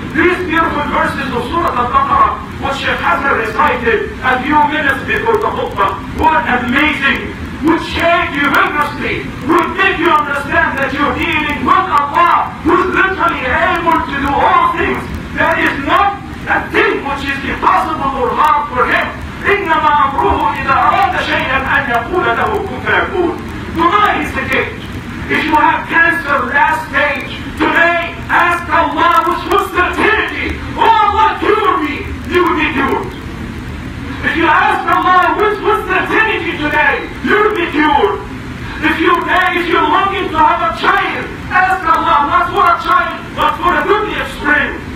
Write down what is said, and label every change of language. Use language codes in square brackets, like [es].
[en] These beautiful verses of Surah Al-Baqarah, what Sheikh Hassan recited a few minutes before the khutbah, what amazing, would shake you vigorously, would make you understand that you're dealing with Allah, who's literally able to do all things. There is not a thing which is impossible or hard for him. [ar] إِنَّمَا أَمْرُهُ إِذَا أَرَادَ شَيْئًا أَنْ يَقُولَ لَهُ كُنْ فَيَكُونَ. [en] Tonight is the gate. If you have cancer, last stage, today, ask Allah which was certainty. Oh Allah, cure me. You will be cured. If you ask Allah which was certainty today, you'll be cured. If you beg, if you're looking to have a child, ask Allah not for a child, but for a goodly offspring.